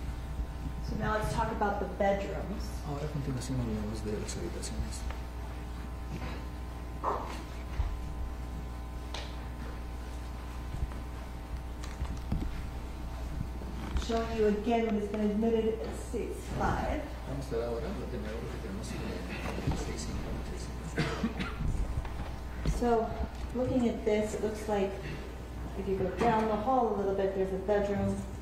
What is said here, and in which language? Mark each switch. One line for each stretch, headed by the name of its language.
Spanish: Ahora a continuación hablamos de las habitaciones.
English: Showing you again what has been admitted as states 5.
Spanish: Vamos a ver ahora lo primero que tenemos en states 5.
English: So, looking at this, it looks like if you go down the hall a little bit, there's a bedroom.